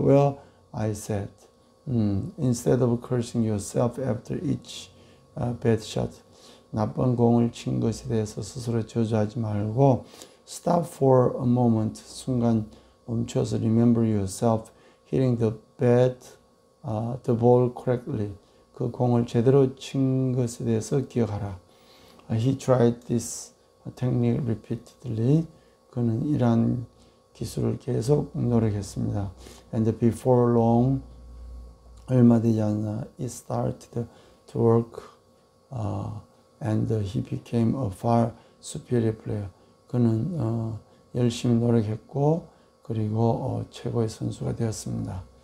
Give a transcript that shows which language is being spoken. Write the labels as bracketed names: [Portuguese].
[English] Well, I said, instead of cursing yourself after each bad shot, [Korean] 나쁜 공을 친 것에 대해서 스스로 저주하지 말고 [English] stop for a moment, [Korean] 순간 멈춰서 [English] remember yourself hitting the ball correctly. [Korean] 그 공을 제대로 친 것에 대해서 기억하라. [English] He tried this technique repeatedly. [Korean] 그는 이러한 기술을 계속 노력했습니다. [English] And before long, [Korean] 얼마 되지 않아, [English] it started to work. And he became a far superior player. [Korean] 그는 열심히 노력했고, 그리고 최고의 선수가 되었습니다.